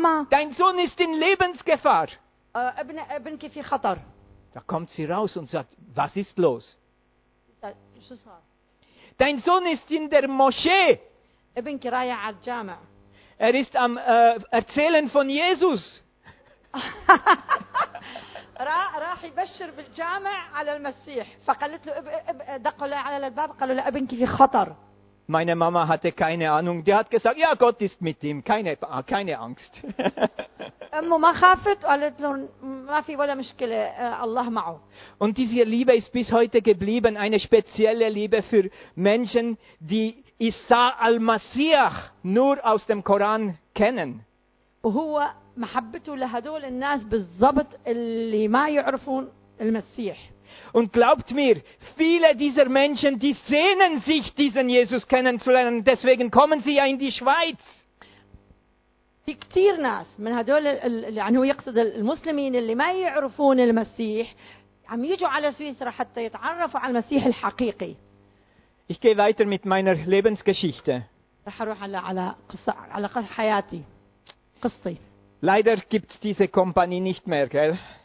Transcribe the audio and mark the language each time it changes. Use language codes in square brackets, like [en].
[de] Dein Sohn ist in Lebensgefahr. Da kommt sie raus und sagt, was ist los? Dein Sohn ist in der Moschee. Er ist am Erzählen von Jesus. [ar] راح يبشر بالجامع على المسيح فقالت له دقوا له على الباب قالوا له ابنك في خطر. [de] Meine Mama hatte keine Ahnung. Die hat gesagt, ja, Gott ist mit ihm. Keine Angst. [ar] امه ما خافت قالت له ما في ولا مشكله الله معه. [de] Und diese Liebe ist bis heute geblieben, eine spezielle Liebe für Menschen, die Isa al-Masih nur aus dem Koran kennen. [ar] وهو محبته لهدول الناس بالضبط اللي ما يعرفون المسيح. [de] Und glaubt mir, viele dieser Menschen, die sehnen sich, diesen Jesus kennenzulernen, deswegen kommen sie ja in die Schweiz. [ar] في كثير ناس من هدول اللي يعني هو يقصد المسلمين اللي ما يعرفون المسيح عم يجوا على سويسرا حتى يتعرفوا على المسيح الحقيقي. [de] Ich gehe weiter mit meiner Lebensgeschichte. [ar] رح أروح على قصة حياتي قصتي. [de] Leider gibt's diese Kompanie nicht mehr, gell?